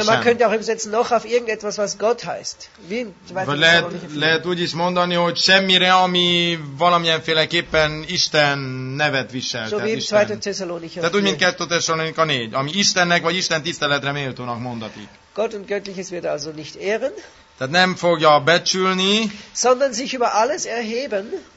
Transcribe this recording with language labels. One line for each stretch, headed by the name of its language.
German: Oder man könnte auch übersetzen, noch auf irgendetwas, was Gott heißt.
Hungarian: Lehet úgy is mondani, hogy semmire, ami valamilyenféleképpen Isten nevet visel. Tehát úgy, mint 2. Tesszalonika 4, ami Istennek vagy Isten tiszteletre méltónak mondatik.
German: Gott und Göttliches wird also nicht ehren.
Hungarian: Tehát nem fogja becsülni.
German: Sondern sich über alles erheben.